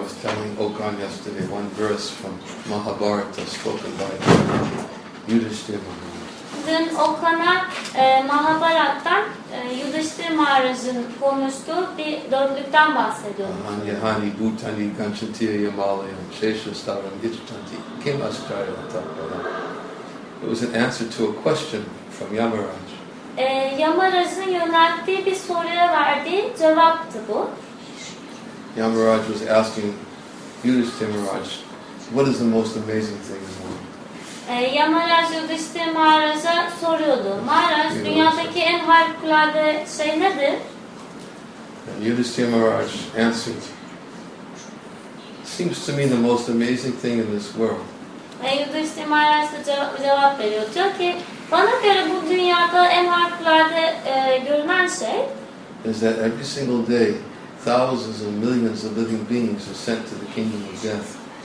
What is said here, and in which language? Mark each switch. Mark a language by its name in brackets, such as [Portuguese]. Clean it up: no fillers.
[English] I was telling Okan yesterday one verse from Mahabharata spoken by Yudhishthira Maharaj. [Turkish] Dün Okan'a Mahabharat'tan Yudhishthira Maharaj'ın konuştuğu bir dördükten bahsediyorum. Hani hani bu tani kançatiye yamalayan şeşestaran hiç tani kim askaya tapmadan. [English] It was an answer to a question from Yamaraj. [Turkish] Yamaraj'ın yönelttiği bir soruya verdiği cevaptı bu. [English] Yamaraj was asking Yudhishthira Maharaj, what is the most amazing thing in the world? [Turkish] Yamaraj Yudhishthira Maharaj'a soruyordu. Maharaj, dünyadaki en harikulade şey nedir? [English] Yudhishthira Maharaj answered, seems to me the most amazing thing in this world. [Turkish] Yudhishthira Maharaj da cevap veriyor. Diyor ki, bana göre bu dünyada en harikulade görünen şey [English] is that every single day thousands and millions of living beings are sent to the kingdom of death.